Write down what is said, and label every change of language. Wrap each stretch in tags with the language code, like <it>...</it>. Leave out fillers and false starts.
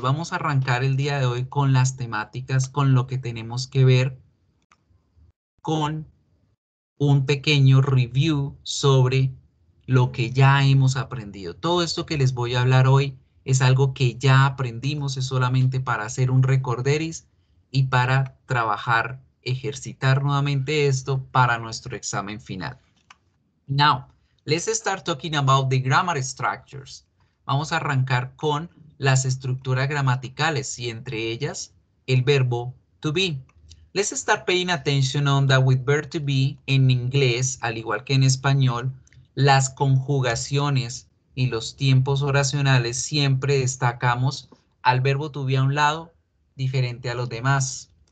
<es>Vamos a arrancar el día de hoy con las temáticas, con lo que tenemos que ver, con un pequeño review sobre lo que ya hemos aprendido. Todo esto que les voy a hablar hoy es algo que ya aprendimos, es solamente para hacer un recorderis y para trabajar, ejercitar nuevamente esto para nuestro examen final.</es> <en>Now, let's start talking about the grammar structures.</en> <es>Vamos a arrancar con las estructuras gramaticales y entre ellas el verbo to be.</es> <en>Let's start paying attention on that with verb to be</en> <es>en inglés, al igual que en español, las conjugaciones y los tiempos oracionales siempre destacamos al verbo to be a un lado, diferente a los demás.</es>